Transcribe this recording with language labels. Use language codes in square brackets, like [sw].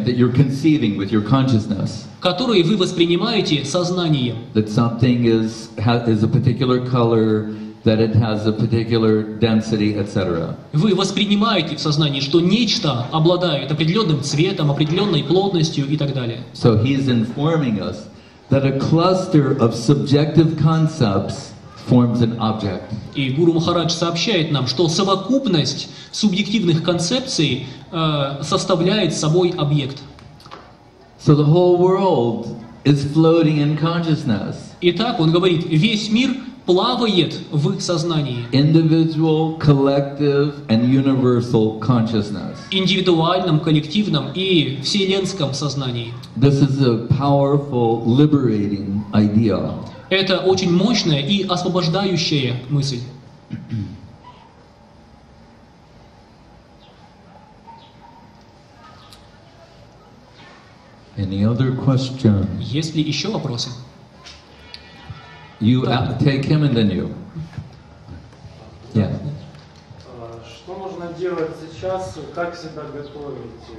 [en] that you're conceiving with your consciousness, [ru] которые вы воспринимаете сознанием, [en] that something is a particular color, that it has a particular density, etc. [ru] Вы воспринимаете в сознании, что нечто обладает определенным цветом, определенной плотностью и так далее. [en] So he is informing us that a cluster of subjective concepts forms an object. [ru] И Гуру Махарадж сообщает нам, что совокупность субъективных концепций составляет собой объект. [en] So the whole world is floating in consciousness. [ru] Итак, он говорит, весь мир плавает в сознании. [en] Individual, collective, and universal consciousness. [ru] Индивидуальном, коллективном и вселенском сознании. [en] This is a powerful, liberating idea. [ru] Это очень мощная и освобождающая мысль. [en] Any other questions? [ru] Есть ли еще вопросы? [en] You take him and then you. Yeah. [ru] Что можно делать сейчас, как себя готовить?